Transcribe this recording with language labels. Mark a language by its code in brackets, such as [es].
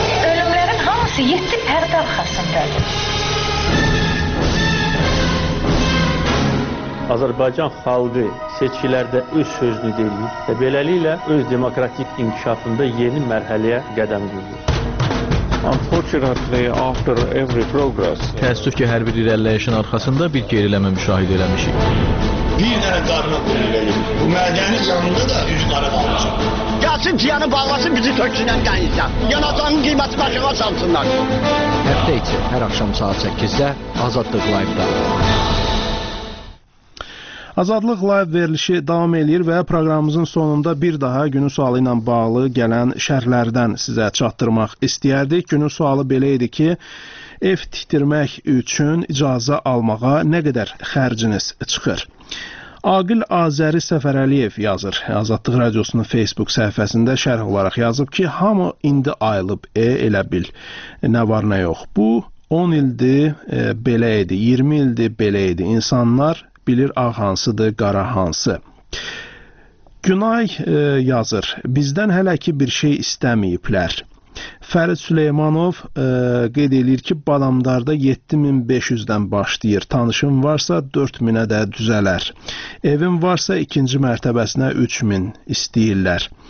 [az] Ölümlərin hamısı 7 pərdə arxasındadır. Azərbaycan xalqı seçkilərdə öz sözünü deyir və beləliklə öz demokratik inkişafında yeni mərhələyə qədəm qoyur. [en] Unfortunately, after every progress. [az] Təəssüf ki, hər bir irəliləyişin arxasında bir geriləmə müşahidə eləmişik. Bir dənə qarına qoyulayım. Bu mədəni canlı da üz qaralanacaq. Gəlsin tiyanı bağlasın, bizi tökçülən qəyirsən. Yanacağın qiyməti başına çalsınlar. Həftə içi, hər axşam saat 8-də Azadlıq Live-da. Azadlıq Live verilişi davam eləyir və proqramımızın sonunda bir daha günün sualı ilə bağlı gələn şərhlərdən sizə çatdırmaq istəyərdik. Günün sualı belə idi ki, ev tikdirmək üçün icazə almağa nə qədər xərciniz çıxır? Aqil Azəri Səfərəliyev yazır. Azadlıq Radiosunun Facebook səhifəsində şərh olaraq yazıb ki, hamı indi ayılıb elə bil, nə var nə yox. Bu 10 ildir belə idi, 20 ildir belə idi. İnsanlar bilir ağ hansıdır, qara hansı. Günay yazır. Bizdən hələ ki bir şey istəməyiblər. Fərid Süleymanov qeyd edir ki, Badamdarda 7500-dən başlayır. Tanışım varsa 4000-ə də düzələr. Evim varsa ikinci mərtəbəsinə 3000 istəyirlər.